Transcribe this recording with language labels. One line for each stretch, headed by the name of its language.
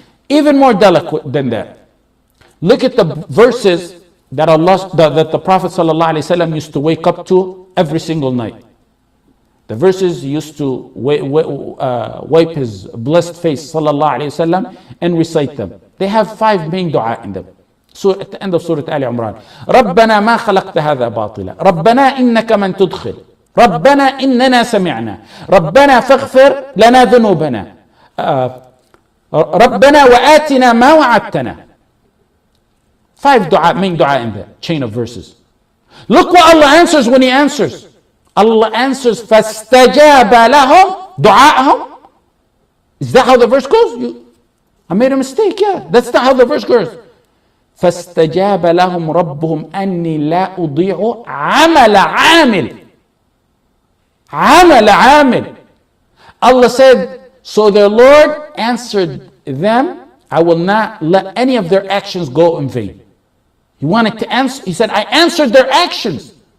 English: Even more delicate than that. Look at the verses that the Prophet sallallahu alaihi wasallam used to wake up to every single night. The verses he used to wipe his blessed face sallallahu alaihi wasallam and recite them. They have five main dua in them. Surah, at the end of Surah Ali Imran.
Arabic: ربنا ما خلقت هذا باطلا ربنا إنك من تدخل ربنا إننا سمعنا ربنا فاغفر لنا ذنوبنا ربنا وآتنا ما وعدتنا.
English: Five dua, main dua in the chain of verses. Look what Allah answers when He answers. Allah answers
Arabic: فاستجاب لهم دعاءهم.
English: Is that how the verse goes? I made a mistake, yeah. That's not how the verse goes.
Arabic: فَاسْتَجَابَ لَهُمْ رَبُّهُمْ أَنِّي لَا أُضِيعُ عَمَلَ عَامِلٍ. عَمَلَ عَامِلٍ.
English: Allah said, so their Lord answered them, I will not let any of their actions go in vain. He wanted to answer, he said, I answered their actions.